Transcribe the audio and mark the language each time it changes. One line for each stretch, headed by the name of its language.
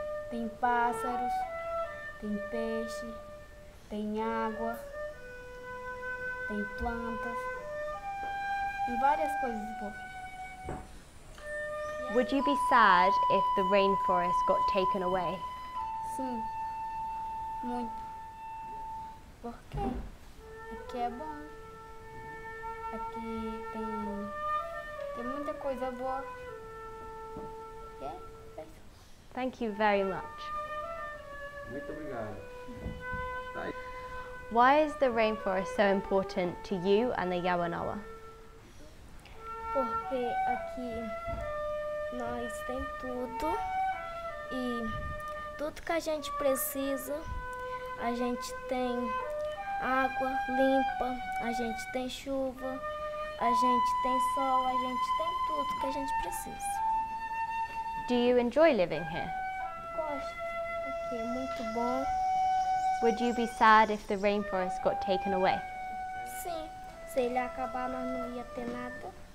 Portuguese: Tem pássaros, tem peixe, tem água, tem plantas, tem várias coisas boas.
English: Would you be sad if the rainforest got taken away?
Portuguese: Sim, muito. Por quê? Aqui é bom. Aqui tem muita coisa boa.
English: Thank you very much.
Portuguese: Muito obrigado.
English: Why is the rainforest so important to you and the Yawanawá?
Portuguese: Porque aqui nós tem tudo e tudo que a gente precisa, a gente tem água limpa, a gente tem chuva, a gente tem sol, a gente tem tudo que a gente precisa.
English: Do you enjoy living here?
Portuguese: Gosto. Aqui é muito bom.
English: Would you be sad if the rainforest got taken away?
Portuguese: Sim. Se ele acabar, nós não ia ter nada.